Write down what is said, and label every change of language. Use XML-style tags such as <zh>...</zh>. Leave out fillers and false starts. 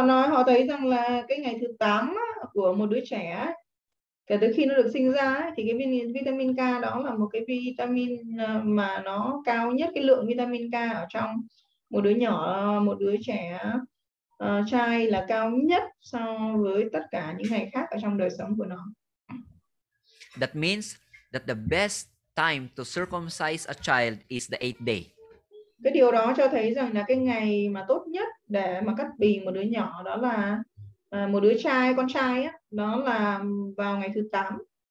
<vi>Họ thấy rằng là cái ngày thứ 8 của một đứa trẻ kể từ khi nó được sinh ra thì cái vitamin K đó là một cái vitamin mà nó cao nhất, cái lượng vitamin K ở trong một đứa nhỏ, một đứa trẻ trai là cao nhất so với tất cả những ngày khác ở trong đời sống của nó.</vi> <en>That means that the best time to circumcise a child is the 8th day.</en> <vi>Cái điều đó cho thấy rằng là cái ngày mà tốt nhất để mà cắt bì một đứa nhỏ đó là một đứa trai, con trai á, đó là vào ngày thứ 8.</vi>